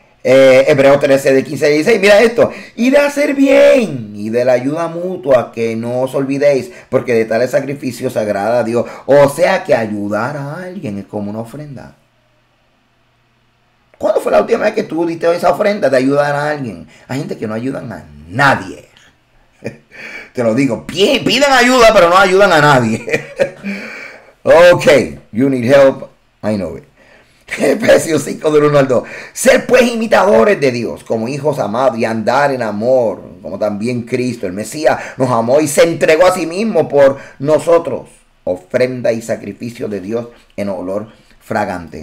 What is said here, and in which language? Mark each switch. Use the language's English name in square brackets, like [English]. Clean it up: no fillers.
[Spanish] Hebreos 13, de 15, 16, mira esto, y de hacer bien y de la ayuda mutua, que no os olvidéis, porque de tales sacrificios agrada a Dios. O sea que ayudar a alguien es como una ofrenda. ¿Cuándo fue la última vez que tú diste esa ofrenda de ayudar a alguien? Hay gente que no ayudan a nadie. Te lo digo, piden ayuda, pero no ayudan a nadie. [English] Ok, you need help, I know it. [Spanish] Efesios 5 del 1 al 2. Ser pues imitadores de Dios, como hijos amados, y andar en amor, como también Cristo, el Mesías, nos amó y se entregó a sí mismo por nosotros. Ofrenda y sacrificio de Dios en olor fragante.